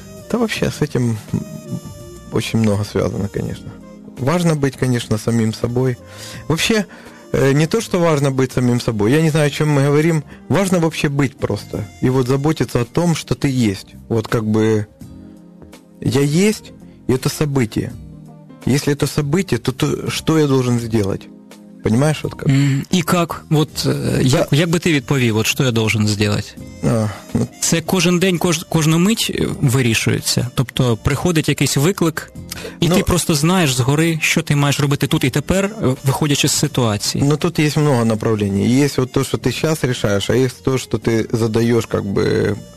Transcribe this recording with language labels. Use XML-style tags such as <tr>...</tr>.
<uk>Та взагалі, з цим дуже багато зв'язано, звісно. Важно бути, звісно, самим собою. Взагалі, не то, що важно бути самим собою. Я не знаю, о чому ми говоримо. Важно взагалі бути просто. І от заботитися о том, що ти є. От, як би, я є, і це событие.</uk> <ru>Если это событие, то что я должен сделать? Понимаешь, вот как? И как? Вот да.</ru> <uk>Як би ти відповів, от що</uk> <ru>я должен сделать?</ru> <uk>Ну, це кожен день, кожну мить вирішується. Тобто приходить якийсь виклик, і ну, ти просто знаєш згори, що ти маєш робити тут і тепер, виходячи з ситуації. Ну тут є много направлений. Є от то, що ти зараз рішаєш, а є то, що ти задаєш, как бы.</uk>